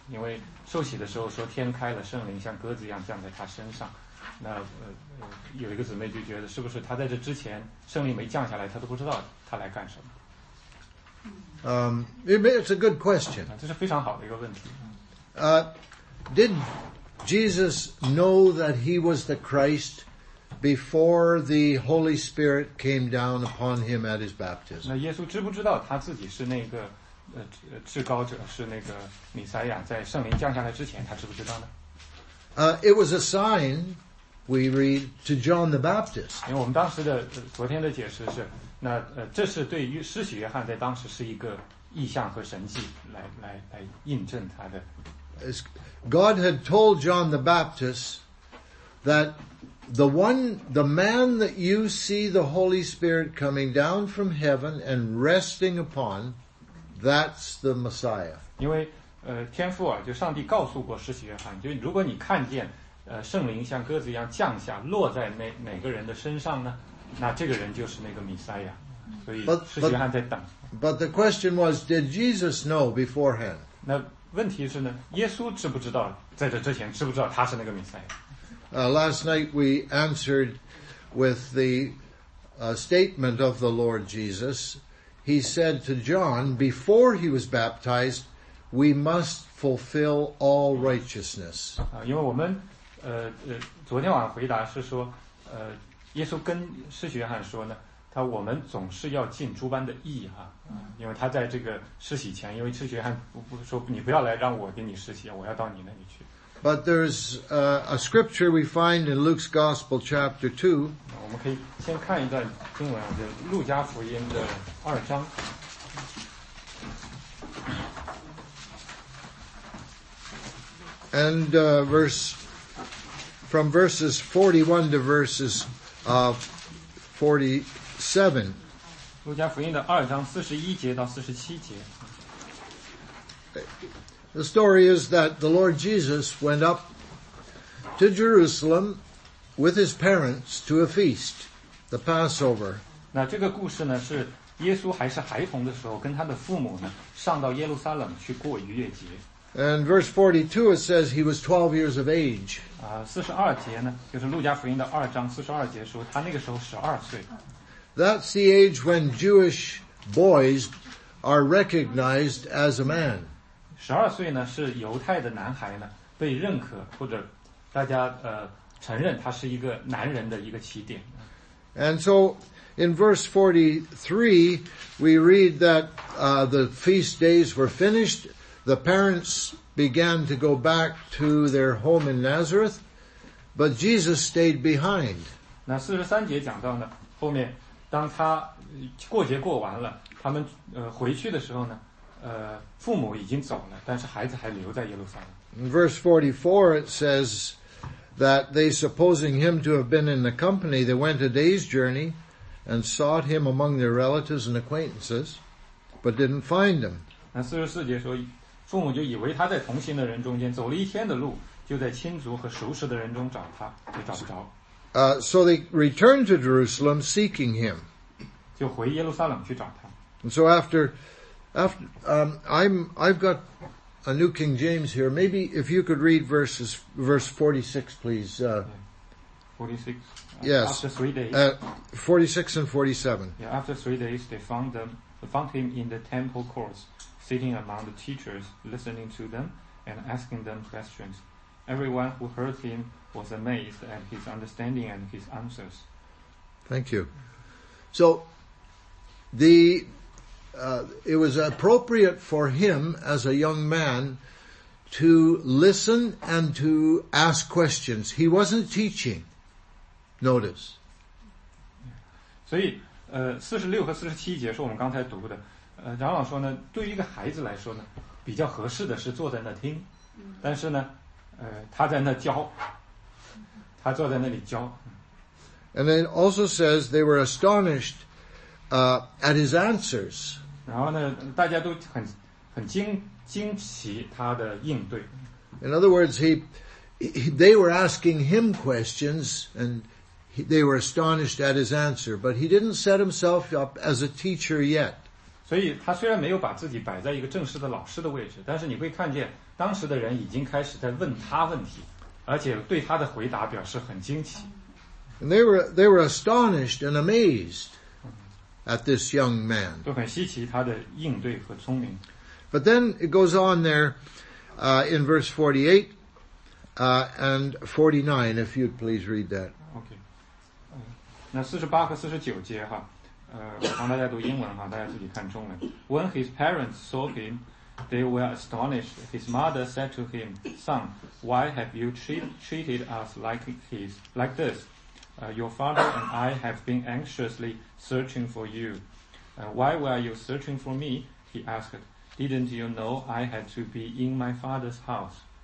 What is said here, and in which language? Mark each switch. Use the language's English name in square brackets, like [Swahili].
[Chinese] 因为受洗的时候说天开了，圣灵像鸽子一样降在他身上。那有一个姊妹就觉得，是不是他在这之前圣灵没降下来，他都不知道他来干什么？ [English] It's a good question. [Chinese] 这是非常好的一个问题。 [English] Did Jesus know that he was the Christ? Before the Holy Spirit came down upon him at his baptism. [Chinese] 那耶稣知不知道他自己是那个至高者，是那个弥赛亚，在圣灵降下来之前，他知不知道呢？ [English] It was a sign, we read, to John the Baptist. [Chinese] 因为我们当时的昨天的解释是，那这是对于施洗约翰在当时是一个异象和神迹，来印证他的。 [English] As God had told John the Baptist that. The man that you see the Holy Spirit coming down from heaven and resting upon, that's the Messiah. [Chinese] 因为天父啊，就上帝告诉过施洗约翰，就如果你看见圣灵像鸽子一样降下落在哪个人的身上呢，那这个人就是那个弥赛亚。所以施洗约翰在等。 [English] But the question was, did Jesus know beforehand? [Chinese] 那问题是呢，耶稣知不知道在这之前知不知道他是那个弥赛亚？ [English] Last night we answered with the statement of the Lord Jesus. He said to John, before he was baptized, we must fulfill all righteousness. [Chinese] 因为我们昨天晚上回答是说耶稣跟施洗约翰说呢，他我们总是要尽诸般的义哈，因为他在这个施洗前，因为施洗约翰不说你不要来让我给你施洗，我要到你那里去。 [English] But there's a scripture we find in Luke's Gospel chapter 2. [Chinese] 我们可以先看一段经文，就路加福音的二章。 [English] And from verses 41 to verses 47. [Chinese] 路加福音的二章四十一节到四十七节。 [English] The story is that the Lord Jesus went up to Jerusalem with his parents to a feast, the Passover. [Chinese] 那这个故事呢，是耶稣还是孩童的时候，跟他的父母呢，上到耶路撒冷去过逾越节。 [English] And verse 42, it says he was 12 years of age. [Chinese] 42节呢，就是路加福音的二章42节说，他那个时候12岁。 [English] That's the age when Jewish boys are recognized as a man. [Chinese] 12岁呢是犹太的男孩呢被认可或者大家承认他是一个男人的一个起点。 [English] And so in verse 43 we read that the feast days were finished, the parents began to go back to their home in Nazareth, but Jesus stayed behind. [Chinese] 那43节讲到呢，后面当他过节过完了，他们回去的时候呢，父母已经走了，但是孩子还留在耶路撒冷。 [English] In verse 44, it says that they supposing him to have been in the company, they went a day's journey and sought him among their relatives and acquaintances, but didn't find him. [Chinese] 那四十四节说，父母就以为他在同行的人中间，走了一天的路，就在亲族和熟识的人中找他，就找不着。 [English] So they returned to Jerusalem seeking him. [Chinese] 就回耶路撒冷去找他。 [English] And so after I've got a New King James here. Maybe if you could read verse 46, please. 46. Yes. After 3 days. 46 and 47. Yeah. After 3 days, they found him in the temple courts, sitting among the teachers, listening to them and asking them questions. Everyone who heard him was amazed at his understanding and his answers. Thank you. So, the, it was appropriate for him as a young man to listen and to ask questions. He wasn't teaching. Notice. [Chinese] 所以, 46和 47节 是我们刚才读的, 长老说呢, 对于一个孩子来说呢, 比较合适的是坐在那听, 但是呢, 他在那教, 他坐在那里教。 [English] And it also says they were astonished at his answers. [Chinese] 然后呢, 大家都很惊奇他的应对。 [English] In other words, they were asking him questions and they were astonished at his answer, but he didn't set himself up as a teacher yet. [Chinese] 所以他虽然没有把自己摆在一个正式的老师的位置, 但是你会看见当时的人已经开始在问他问题, 而且对他的回答表示很惊奇。 [English] And they were astonished and amazed at this young man. [Chinese] 都很稀奇他的应对和聪明。 [English] But then it goes on there in verse 48 and 49, if you'd please read that. [Chinese] 那48和49节哈，我帮大家读英文哈，大家自己看中文。 [English] When his parents saw him, they were astonished. His mother said to him, "Son, why have you treated us like this? Your father and I have been anxiously searching for you. Why were you searching for me?" He asked. "Didn't you know I had to be in my father's house?"